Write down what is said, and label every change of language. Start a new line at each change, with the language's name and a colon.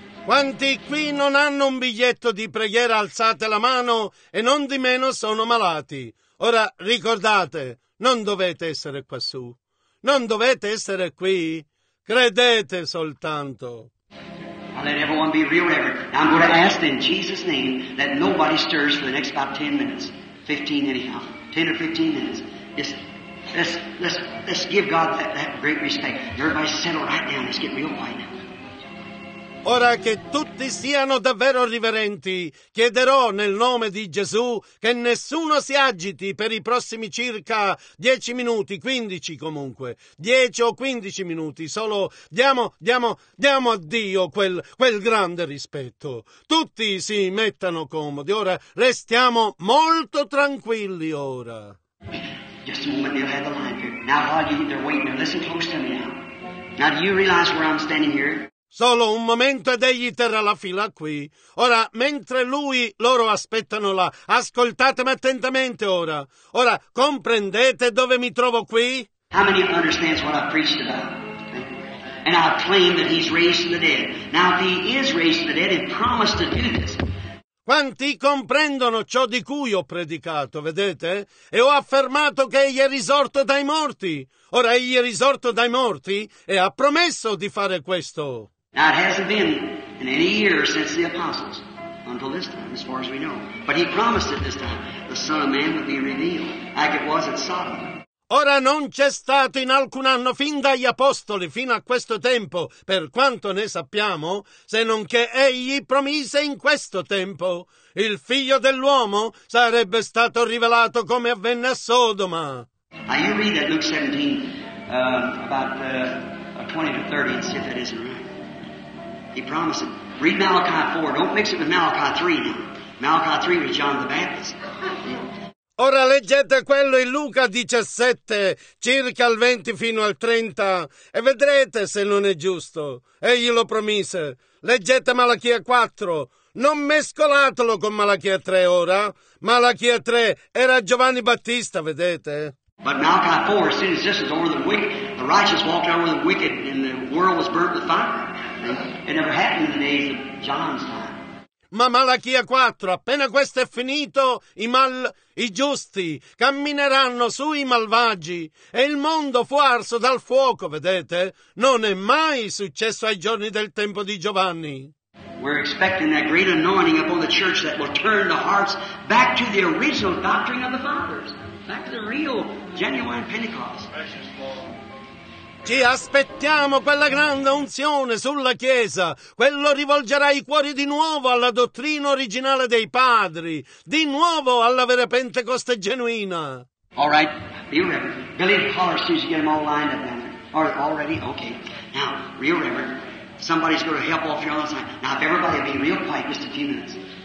Italian: Quanti qui non hanno un biglietto di preghiera, alzate la mano, e non di meno sono malati. Ora ricordate, non dovete essere quassù. Non dovete essere qui. Credete soltanto.
English: I'll let everyone be real reverent. Now I'm going to ask in Jesus' name that nobody stirs for the next about 10 minutes. 15 anyhow. 10 or 15 minutes. Yes. Let's give God that great respect. Everybody settle right down. Let's get real quiet now.
Italian: Ora che tutti siano davvero riverenti, chiederò nel nome di Gesù che nessuno si agiti per i prossimi circa 10 minuti, 15 comunque, 10 o 15 minuti, solo diamo a Dio quel grande rispetto. Tutti si mettano comodi, ora restiamo molto tranquilli ora.
English: Just a moment, they'll have the line here. Now while you're waiting, listen close to me now. Now do you realize where I'm standing here?
Italian: Solo un momento ed egli terrà la fila qui. Ora, mentre lui, loro aspettano là. Ascoltatemi attentamente ora. Ora, comprendete dove mi trovo qui?
English: How many understands what I preached about? And I claim that he's raised from the dead. Now, if he is raised from the dead, he promised to do this.
Italian: Quanti comprendono ciò di cui ho predicato, vedete? E ho affermato che egli è risorto dai morti. Ora, egli è risorto dai morti e ha promesso di fare questo.
English: Now it hasn't been in any year since the apostles. until this time, as far as we know. But he promised it this time. The Son of Man would be revealed, like it was at Sodom.
Italian: Ora non c'è stato in alcun anno, fin dagli apostoli, fino a questo tempo, per quanto ne sappiamo, se non che egli promise in questo tempo. Il figlio dell'uomo sarebbe stato rivelato come avvenne a Sodoma.
English: Now you read that Luke 17, about 20 to 30, and see if that isn't right. He promised it. Read Malachi 4, don't mix it with Malachi 3. Malachi 3 was John the Baptist.
Italian: Ora leggete quello in Luca 17, circa il 20 fino al 30, e vedrete se non è giusto. Egli lo promise. Leggete Malachia 4. Non mescolatelo con Malachia 3 ora. Malachia 3 era Giovanni Battista, vedete?
English: But Malachi 4, as soon as this is over, the wicked, the righteous walked out with the wicked, and the world was burnt with fire. It never happened in the days of John's time.
Italian: Ma Malachia 4, appena questo è finito, i giusti cammineranno sui malvagi e il mondo fu arso dal fuoco, vedete? Non è mai successo ai giorni del tempo di Giovanni.
English: We're expecting that great anointing upon the church that will turn the hearts back to the original doctrine of the fathers, back to the real, genuine Pentecost.
Italian: Ci aspettiamo quella grande unzione sulla Chiesa. Quello rivolgerà i cuori di nuovo alla dottrina originale dei padri. Di nuovo alla vera Pentecoste genuina.
English: All right, real reverend. Billy Carr, as soon as you get them all lined up down there. Already? Okay. Now, real reverend, somebody's going to help off your other side. Now, if everybody will be real quiet just a few minutes.